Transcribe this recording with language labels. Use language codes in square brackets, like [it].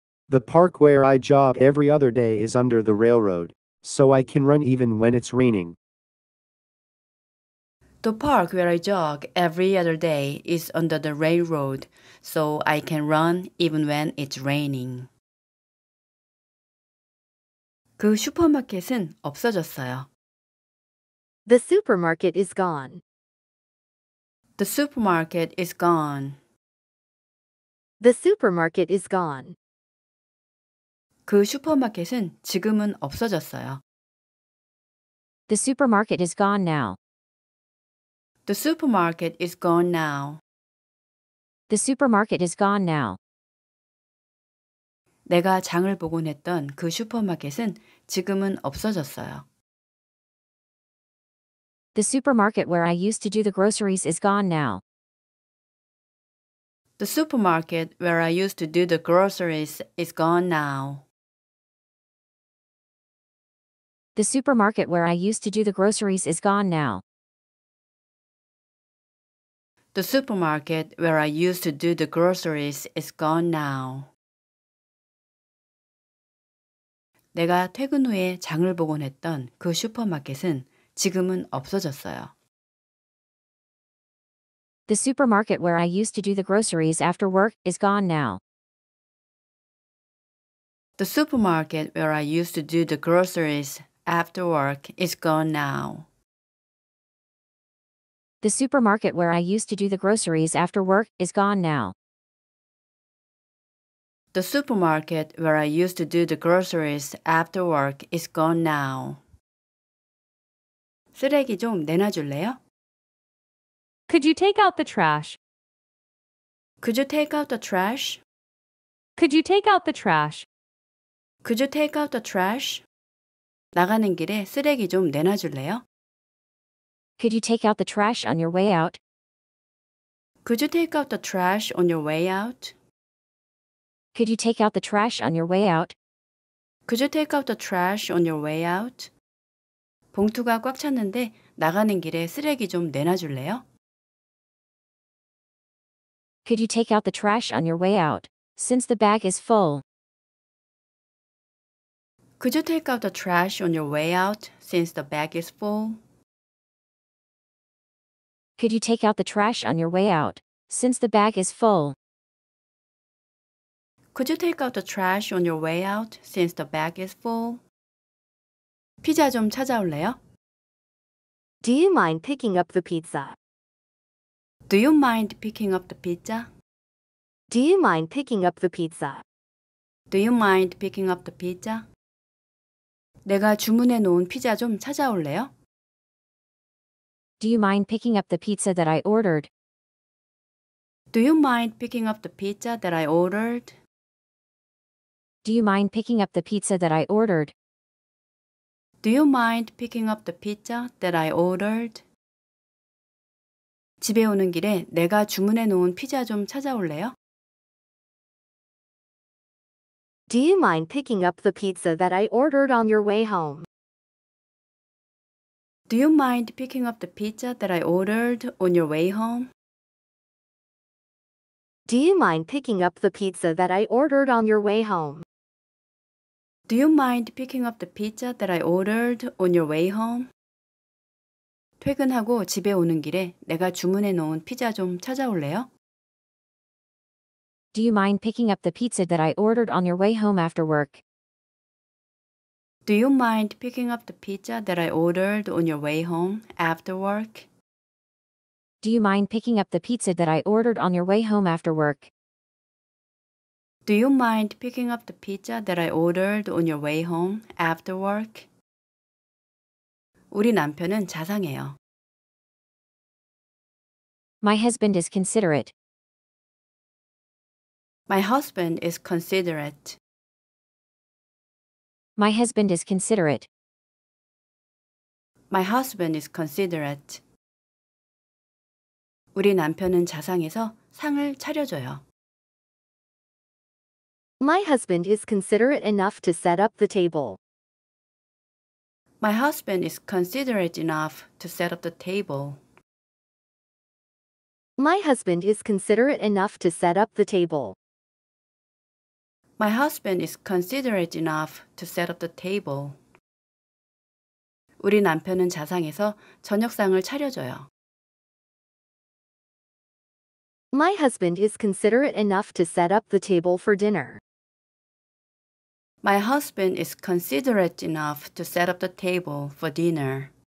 [en] The park where I jog every other day is under the railroad, so I can run even when it's raining. The park where I jog every other day is under the railroad, so I can run even when it's raining. [ko] 그 슈퍼마켓은 없어졌어요. [en] The supermarket is gone. The supermarket is gone. The supermarket is gone. [ko] 그 슈퍼마켓은 지금은 없어졌어요. [en] The supermarket is gone now. The supermarket is gone now. The supermarket is gone now. [ko] 내가 장을 보고 냈던 그 슈퍼마켓은 지금은 없어졌어요. [en] The supermarket where I used to do the groceries is gone now. The supermarket where I used to do the groceries is gone now. The supermarket where I used to do the groceries is gone now. The supermarket where I used to do the groceries is gone now. [ko] 내가 퇴근 후에 장을 보곤 했던 그 슈퍼마켓은 지금은 없어졌어요. [en] The supermarket where I used to do the groceries after work is gone now. The supermarket where I used to do the groceries after work is gone now. The supermarket where I used to do the groceries after work is gone now. The supermarket where I used to do the groceries after work is gone now. [ko] 쓰레기 좀 내놔줄래요? [en] Could you take out the trash? Could you take out the trash? Could you take out the trash? Could you take out the trash? [ko] 나가는 길에 쓰레기 좀 내놔줄래요? [en] Could you take out the trash on your way out? Could you take out the trash on your way out? Could you take out the trash on your way out? Could you take out the trash on your way out? [ko] 봉투가 꽉 찼는데 나가는 길에 쓰레기 좀 내놔줄래요? [en] Could you take out the trash on your way out, since the bag is full? Could you take out the trash on your way out, since the bag is full? Could you take out the trash on your way out, since the bag is full? Could you take out the trash on your way out, since the bag is full? [ko] 피자 좀 찾아올래요? [en] Do you mind picking up the pizza? Do you mind picking up the pizza? Do you mind picking up the pizza? Do you mind picking up the pizza? [ko] 내가 주문해 놓은 피자 좀 찾아올래요? [en] Do you mind picking up the pizza that I ordered? Do you mind picking up the pizza that I ordered? Do you mind picking up the pizza that I ordered? Do you mind picking up the pizza that I ordered? [ko] 집에 오는 길에 내가 주문해 놓은 피자 좀 찾아올래요? [en] Do you mind picking up the pizza that I ordered on your way home? Do you mind picking up the pizza that I ordered on your way home? Do you mind picking up the pizza that I ordered on your way home? Do you mind picking up the pizza that I ordered on your way home? [ko] 퇴근하고 집에 오는 길에 내가 주문해 놓은 피자 좀 찾아올래요? [en] Do you mind picking up the pizza that I ordered on your way home after work? Do you mind picking up the pizza that I ordered on your way home after work? Do you mind picking up the pizza that I ordered on your way home after work? Do you mind picking up the pizza that I ordered on your way home after work? [ko] 우리 남편은 자상해요. [en] My husband is considerate. My husband is considerate. My husband is considerate. My husband is considerate. [ko] 우리 남편은 자상해서 상을 차려줘요. [en] My husband is considerate enough to set up the table. My husband is considerate enough to set up the table. My husband is considerate enough to set up the table. My husband is considerate enough to set up the table. [ko] 우리 남편은 자상해서 저녁상을 차려줘요. [en] My husband is considerate enough to set up the table for dinner. My husband is considerate enough to set up the table for dinner.